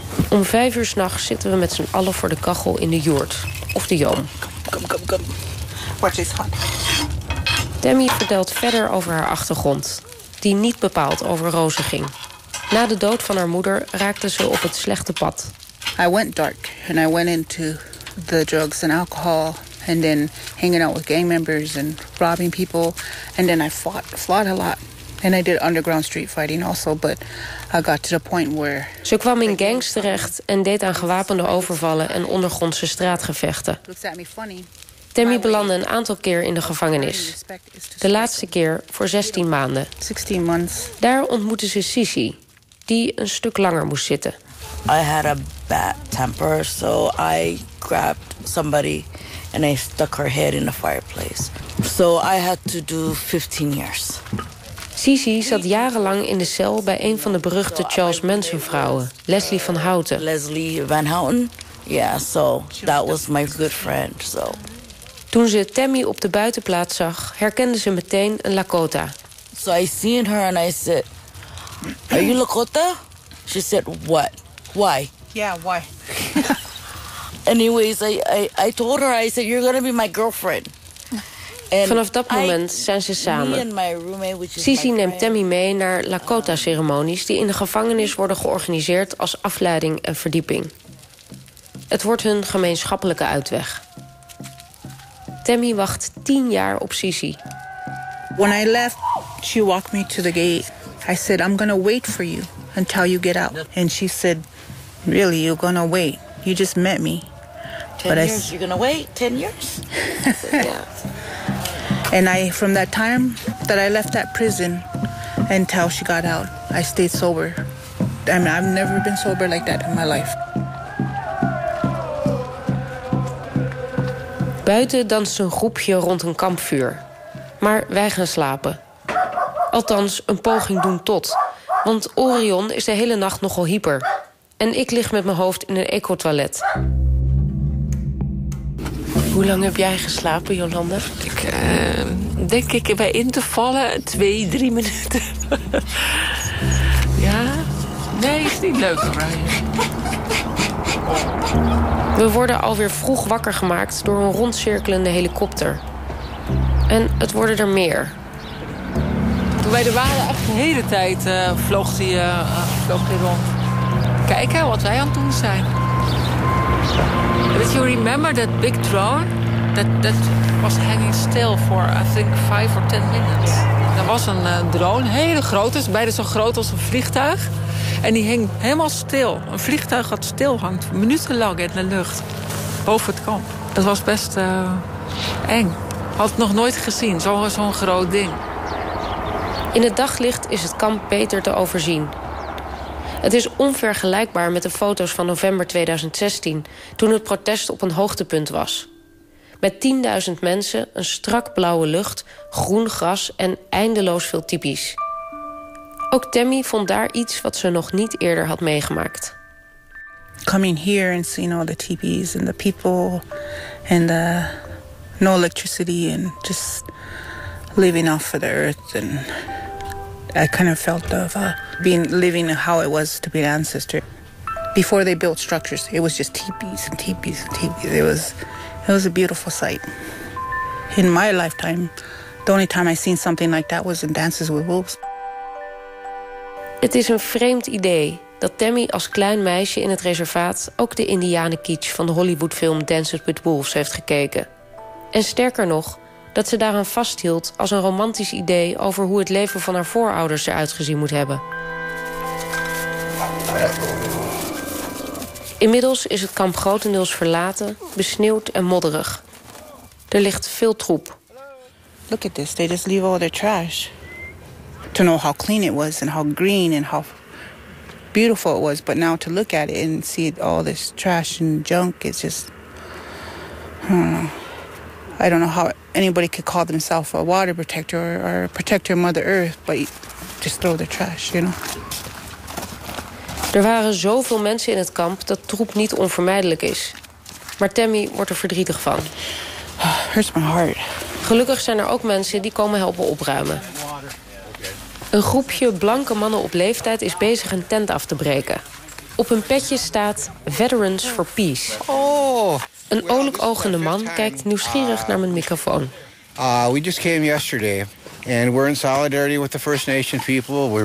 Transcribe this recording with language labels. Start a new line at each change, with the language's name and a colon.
Dutch: Om 5 uur 's nachts zitten we met z'n allen voor de kachel in de joert, of de joom.
English: Kom. Watch this one.
Dutch: Tammy vertelt verder over haar achtergrond, die niet bepaald over rozen ging. Na de dood van haar moeder raakte ze op het slechte pad.
English: I went dark and I went into the drugs and alcohol and then hanging out with gang members and robbing people and then I fought a lot.
Dutch: En ik deed
English: underground street fighting also, but I got to the point where.
Dutch: Ze kwam in gangs terecht en deed aan gewapende overvallen en ondergrondse straatgevechten. Tammy belandde een aantal keer in de gevangenis. De laatste keer voor 16 maanden. Daar ontmoette ze Sissy, die een stuk langer moest zitten.
English: I had a bad temper, so I grabbed somebody and I stuck her head in the fireplace. So I had to do 15 years.
Dutch: Sissy zat jarenlang in de cel bij een van de beruchte Charles Manson vrouwen, Leslie van Houten.
English: Leslie van Houten, yeah, so that was my good friend. So.
Dutch: Toen ze Tammy op de buitenplaats zag, herkende ze meteen een Lakota.
English: So I seen her and I said, are you Lakota? She said, what? Why? Yeah, why? Anyways, I told her, I said, you're gonna be my girlfriend.
Dutch: Vanaf dat moment zijn ze samen. Sissy neemt Tammy mee naar Lakota-ceremonies... die in de gevangenis worden georganiseerd als afleiding en verdieping. Het wordt hun gemeenschappelijke uitweg. Tammy wacht 10 jaar op Sissy.
English: When I left, she walked me to the gate. I said, I'm gonna wait for you until you get out. And she said, really, you're gonna wait. You just met me. 10 years, you're gonna wait, 10 years? And I, from that time that I left that prison until she got out, I stayed sober. I mean, I've never been sober like that in my life.
Dutch: Buiten danst een groepje rond een kampvuur. Maar wij gaan slapen. Althans, een poging doen tot. Want Orion is de hele nacht nogal hyper. En ik lig met mijn hoofd in een eco-toilet. Hoe lang heb jij geslapen, Jolanda? Ik denk ik bij intervallen 2-3 minuten. Ja? Nee, is niet leuk, Ryan. We worden alweer vroeg wakker gemaakt door een rondcirkelende helikopter. En het worden er meer. Toen wij er waren, echt de hele tijd vloog die rond. Kijken wat wij aan het doen zijn.
English: But you remember that big drone? That was hanging still for, I think, 5 or 10 minutes.
Dutch: Dat was een drone, hele grote, bijna zo groot als een vliegtuig. En die hing helemaal stil. Een vliegtuig dat stil hangt, minutenlang in de lucht. Boven het kamp. Dat was best eng. Had het nog nooit gezien, zo'n groot ding. In het daglicht is het kamp beter te overzien. Het is onvergelijkbaar met de foto's van november 2016... toen het protest op een hoogtepunt was. Met 10.000 mensen, een strak blauwe lucht, groen gras en eindeloos veel tipi's. Ook Tammy vond daar iets wat ze nog niet eerder had meegemaakt.
English: Coming here and seeing all the tipis and the people and the no electricity and just living off of the earth and I kind of felt of living how it was to be an ancestor. Before they built structures, it was just tipis and tipis and tipis. It was a beautiful sight. In my lifetime, the only time I seen something like that was in Dances with Wolves.
Dutch: Het is een vreemd idee dat Tammy als klein meisje in het reservaat ook de Indianen-kitsch van de Hollywoodfilm Dances with Wolves heeft gekeken. En sterker nog, dat ze daaraan vasthield als een romantisch idee over hoe het leven van haar voorouders eruit gezien moet hebben. Inmiddels is het kamp grotendeels verlaten, besneeuwd en modderig. Er ligt veel troep.
English: Look at this, they just leave all their trash. To know how clean it was and how green and how beautiful it was, but now to look at it and see it, all this trash and junk, it's just, I don't know how anybody could call themselves a water protector or protector of Mother Earth, but just throw the trash, you know.
Dutch: Er waren zoveel mensen in het kamp dat troep niet onvermijdelijk is. Maar Tammy wordt er verdrietig van.
English: Hurts my heart.
Dutch: Gelukkig zijn er ook mensen die komen helpen opruimen. Een groepje blanke mannen op leeftijd is bezig een tent af te breken. Op hun petje staat Veterans for Peace. Oh. Een oliekogende man kijkt nieuwsgierig naar mijn microfoon.
English: We just came yesterday and we're in solidarity with the First Nation people.